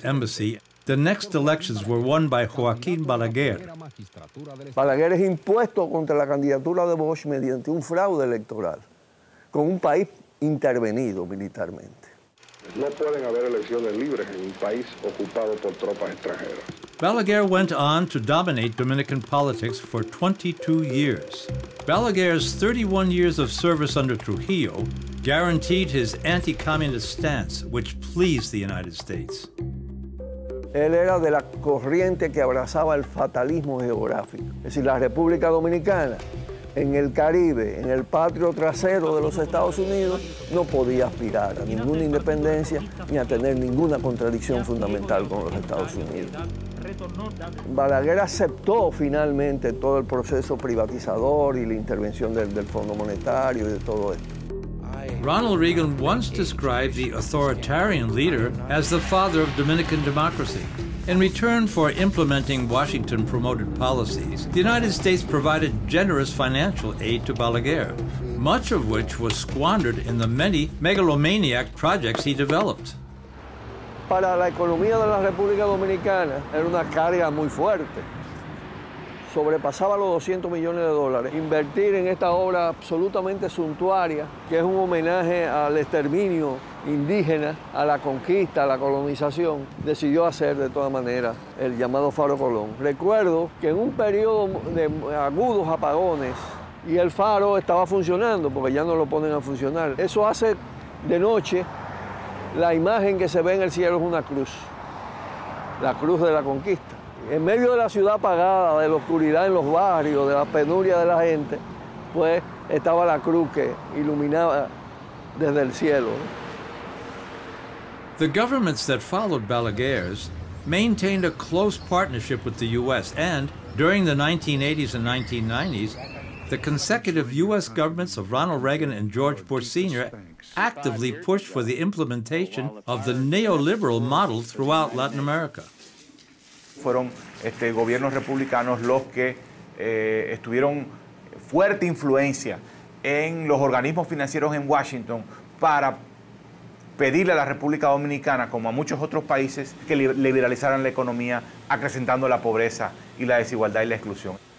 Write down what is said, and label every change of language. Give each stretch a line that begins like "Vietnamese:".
English: embassy, the next elections were won by Joaquín Balaguer.
Spanish: Balaguer es impuesto contra la candidatura de Bosch mediante un fraude electoral, con un país intervenido militarmente. No pueden haber elecciones libres en un país ocupado por tropas extranjeras.
English: Balaguer went on to dominate Dominican politics for 22 years. Balaguer's 31 years of service under Trujillo guaranteed his anti-communist stance, which pleased the United States.
Spanish: Él era de la corriente que abrazaba el fatalismo geográfico. Es decir, la República Dominicana, en el Caribe, en el patio trasero de los Estados Unidos, no podía aspirar a ninguna independencia ni a tener ninguna contradicción fundamental con los Estados Unidos. Balaguer aceptó finalmente todo el proceso privatizador y la intervención del Fondo Monetario y de todo esto.
English: Ronald Reagan once described the authoritarian leader as the father of Dominican democracy. In return for implementing Washington-promoted policies, the United States provided generous financial aid to Balaguer, much of which was squandered in the many megalomaniac projects he developed.
Spanish: Para la economía de la República Dominicana era una carga muy fuerte. Sobrepasaba los 200 millones de dólares. Invertir en esta obra absolutamente suntuaria, que es un homenaje al exterminio indígena, a la conquista, a la colonización, decidió hacer de todas maneras el llamado Faro Colón. Recuerdo que en un periodo de agudos apagones, y el faro estaba funcionando, porque ya no lo ponen a funcionar. Eso hace de noche, la imagen que se ve en el cielo es una cruz, la cruz de la conquista. En medio de la ciudad apagada, de la oscuridad en los barrios, de la penuria de la gente, pues estaba la cruz que iluminaba desde el cielo.
English: The governments that followed Balaguer's maintained a close partnership with the U.S. and during the 1980s and 1990s, the consecutive U.S. governments of Ronald Reagan and George Bush Sr. actively pushed for the implementation of the neoliberal model throughout Latin America.
Spanish: Fueron gobiernos republicanos los que estuvieron fuerte influencia en los organismos financieros en Washington para pedirle a la República Dominicana, como a muchos otros países, que liberalizaran la economía, acrecentando la pobreza y la desigualdad y la exclusión.